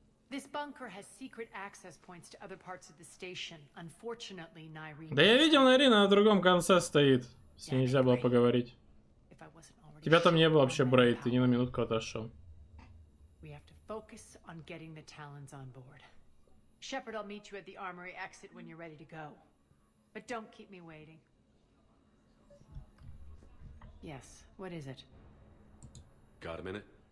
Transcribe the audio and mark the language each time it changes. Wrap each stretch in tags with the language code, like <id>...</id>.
<en>This bunker has secret access points to other parts of the station. Unfortunately, Nairine...</en> <ru>Да я видел, Нарина на другом конце стоит. С ней нельзя было поговорить. Тебя там не было вообще, Брейд. Ты не на минутку отошел.</ru> <en>We have to focus on getting the Talons on board. Shepard, I'll meet you at the armory exit when you're ready to go. But don't keep me waiting. Yes, what is it? Got a minute?</en>